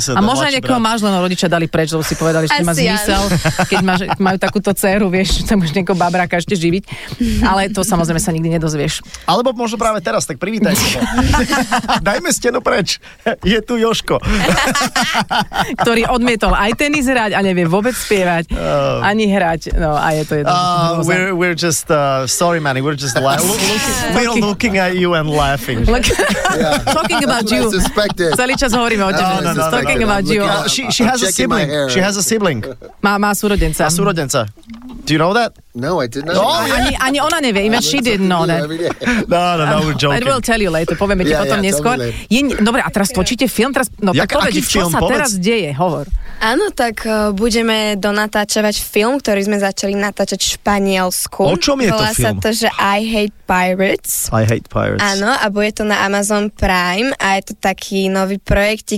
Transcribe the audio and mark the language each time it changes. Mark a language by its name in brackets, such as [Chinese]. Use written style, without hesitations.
[Slovak] A možno niekoho máš, len rodičia dali preč, lebo si povedali, že má zmysel, keď majú takúto dceru, vieš, tam už niekoho babráka ešte živiť. Ale to samozrejme sa nikdy nedozvieš. Alebo možno práve teraz, tak privítaj. Dajme stenu preč. Je tu Jožko. Ktorý odmietol aj tenis hrať a nevie vôbec spievať, ani hrať. No a je to jedno. [English] We're just, sorry Manny, we're just looking at you and laughing. Look, yeah. Talking about you. [Slovak] Celý čas hovoríme o tebe. [English] No, talking about you. She has a sibling. She has a sibling. [Slovak] Má súrodenca. A súrodenca. [English] Do you know that? No, I didn't know. Oh, [Slovak] ani ona nevie, [English] even she didn't know that. No, we're joking. I will tell you later, [Slovak] povieme ti potom neskôr. Dobre, a teraz točíte film? No tak povedz, čo sa teraz deje, hovor. Áno, tak budeme donatáčovať film, ktorý sme začali natáčať v Španielsku. O čom je to film? Volá sa to, že I Hate Pirates. Áno, a bude to na Amazon Prime a je to taký nový projektík.